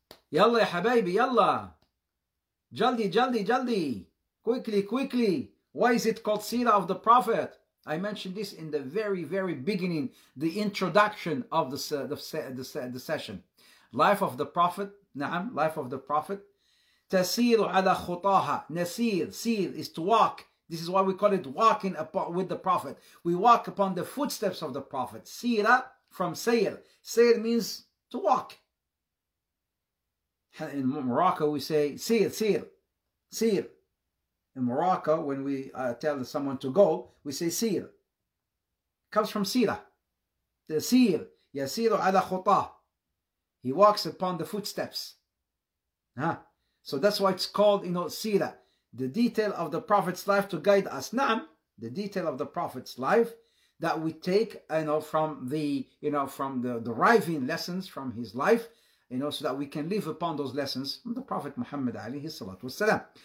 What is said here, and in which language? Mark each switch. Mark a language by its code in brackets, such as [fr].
[ar] Yalla, ya habaybi, yalla. [hi] Jaldi, jaldi, jaldi. [en] Quickly, quickly. Why is it called seerah of the Prophet? I mentioned this in the very, very beginning, the introduction of the session. Life of the Prophet, na'am, life of the Prophet. [ar] تسير على خطاها نسير, سير [en] is to walk. This is why we call it walking with the Prophet. We walk upon the footsteps of the Prophet. [ar] سيرة from سير. [en] سير means to walk. In Morocco we say سير, سير, سير. In Morocco, when we tell someone to go, we say سير. Comes from سيرة. [ar] The سير, يسير على خطاه. [en] He walks upon the footsteps. Huh? So that's why it's called, you know, seerah. The detail of the Prophet's life to guide us. Na'am, the detail of the Prophet's life that we take, you know, from the, you know, from the deriving lessons from his life, you know, so that we can live upon those lessons from the Prophet Muhammad alayhi salatu wasalam.